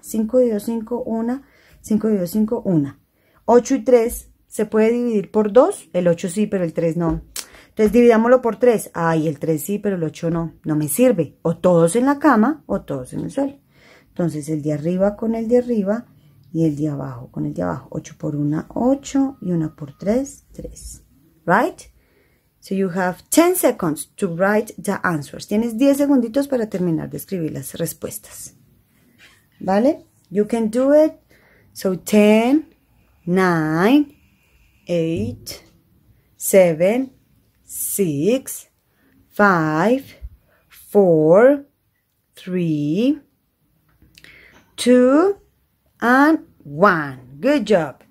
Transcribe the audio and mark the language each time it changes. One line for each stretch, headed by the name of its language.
Spanish: 5 y 2, 5, 1. 5 y 2, 5, 1. 8 y 3, ¿se puede dividir por 2? El 8 sí, pero el 3 no. Entonces dividámoslo por 3. Ay, el 3 sí, pero el 8 no. No me sirve. O todos en la cama o todos en el suelo. Entonces el de arriba con el de arriba y el de abajo con el de abajo. 8 por 1, 8. Y 1 por 3, 3. ¿Right?
English: So you have 10 seconds to write the answers.
Spanish: Tienes 10 segunditos para terminar de escribir las respuestas.
English: ¿Vale? You can do it. So 10, 9, 8, 7, 6, 5, 4, 3, 2, and 1. Good job.